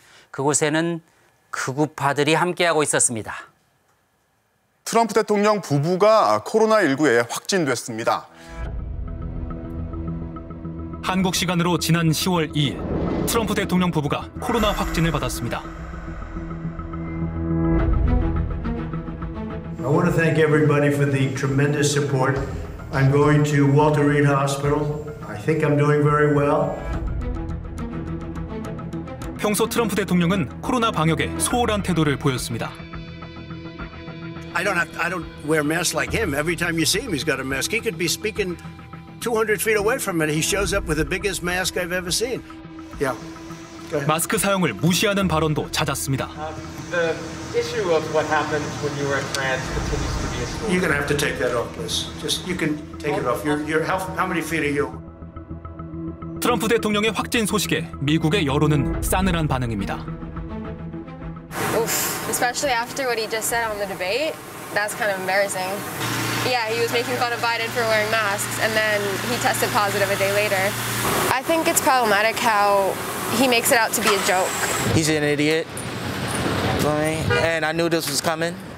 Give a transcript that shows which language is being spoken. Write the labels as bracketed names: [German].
[Korean] 그곳에는 극우파들이 함께하고 있었습니다. 트럼프 대통령 부부가 코로나19에 확진됐습니다. 한국 시간으로 지난 10월 2일 트럼프 대통령 부부가 코로나 확진을 받았습니다. [English] I want to thank everybody for the tremendous support. I'm going to Walter Reed Hospital. I think I'm doing very well. [Korean] 평소 트럼프 대통령은 코로나 방역에 소홀한 태도를 보였습니다. [English] I don't wear masks like him. Every time you see him, he's got a mask. He could be speaking 200 feet away from it. He shows up with the biggest mask I've ever seen. Yeah. [Korean] 마스크 사용을 무시하는 발언도 잦았습니다. [English] The issue of what happened when you were in France continues to be a story. You're gonna have to take that off, please. Just you can take it off. How many feet are you? [Korean] 트럼프 대통령의 확진 소식에 미국의 여론은 싸늘한 반응입니다. [English] Especially after what he just said on the debate, that's kind of embarrassing. Yeah, he was making fun of Biden for wearing masks, and then he tested positive a day later. I think it's problematic how he makes it out to be a joke. He's an idiot. And I knew this was coming.